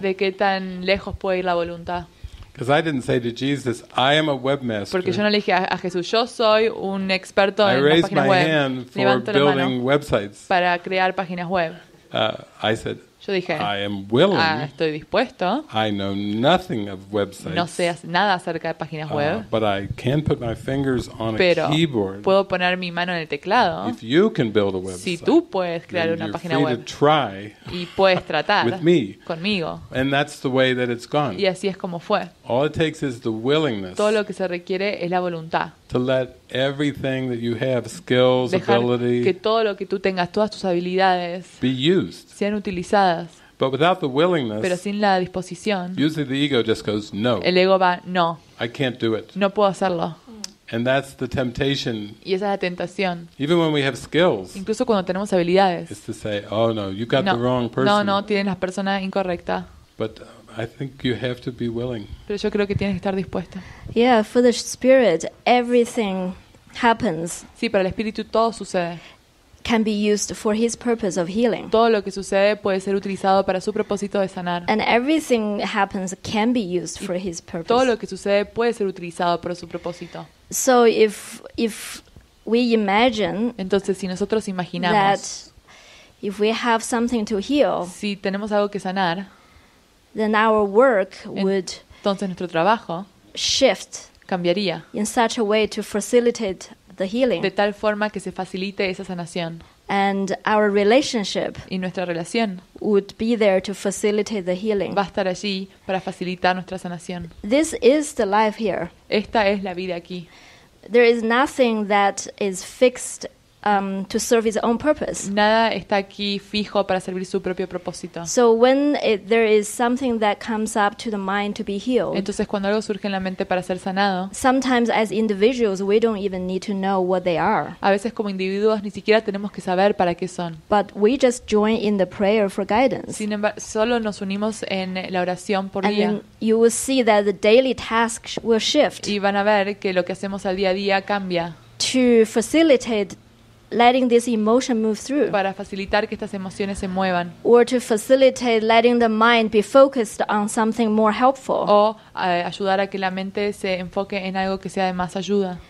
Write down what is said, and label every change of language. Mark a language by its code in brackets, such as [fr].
[es] De qué tan lejos puede ir la voluntad. [en] Because I didn't say to Jesus, I am a webmaster. [es] Porque yo no le dije a Jesús, yo soy un experto en las páginas web. [en] I raised my hand for building websites. [es] Para crear páginas web. [en] I said, [es] yo dije, [en] I am willing. [es] Estoy dispuesto. [en] I know nothing of websites. [es] No sé nada acerca de páginas web. [en] But I can put my fingers on [es] pero [en] a keyboard. [es] Puedo poner mi mano en el teclado. [en] If you can build a website, [es] si tú puedes crear [en] then you're [es] página [en] free [es] web [en] to try [es] y puedes tratar [en] with me [es] conmigo. [en] And that's the way that it's gone. [es] Y así es como fue. [en] All it takes is the willingness. [es] Todo lo que se requiere es la voluntad. [en] To let everything that you have, skills, [es] dejar [en] ability, [es] que todo lo que tú tengas, todas tus habilidades, [en] be used, [es] sean utilizadas. [en] But without the willingness, [es] pero sin la disposición, [en] usually the ego just goes no. [es] El ego va no. [en] I can't do it. [es] No puedo hacerlo. [en] And that's the temptation. [es] Y esa es la tentación. [en] Even when we have skills, [es] incluso cuando tenemos habilidades, [en] is to say, oh no, you got [es] no [en] the wrong person. [es] No, no, tienes la persona incorrecta. [en] But I think you have to be willing. [es] Pero yo creo que tienes que estar dispuesta. [en] Yeah, for the spirit, everything happens. [es] Sí, para el espíritu todo sucede. [en] Can be used for his purpose of healing. [es] Todo lo que sucede puede ser utilizado para su propósito de sanar. [en] And everything happens can be used for his purpose. [es] Todo lo que sucede puede ser utilizado para su propósito. [en] So if we imagine, [es] entonces si nosotros imaginamos, [en] that if we have something to heal, [es] si tenemos algo que sanar, [en] then our work would [es] entonces nuestro trabajo [en] shift [es] cambiaría [en] in such a way to facilitate the healing [es] de tal forma que se facilite esa sanación [en] and our relationship [es] y nuestra relación [en] would be there to facilitate the healing [es] va a estar allí para facilitar nuestra sanación. [en] This is the life here. [es] Esta es la vida aquí. [en] There is nothing that is fixed to serve his own purpose. [es] Nada está aquí fijo para servir su propio propósito. [en] So when there is something that comes up to the mind to be healed. [es] Entonces cuando algo surge en la mente para ser sanado. [en] Sometimes as individuals we don't even need to know what they are. [es] A veces como individuos ni siquiera tenemos que saber para qué son. [en] But we just join in the prayer for guidance. [es] Sin embargo, solo nos unimos en la oración por guía. [en] And you will see that the daily task will shift. [es] Y van a ver que lo que hacemos al día a día cambia. [en] To facilitate letting this emotion move through. [es] Para facilitar que estas emociones se muevan. [en] Or to facilitate letting the mind be focused on something more helpful. [es] O ayudar a que la mente se enfoque en algo que sea de más ayuda.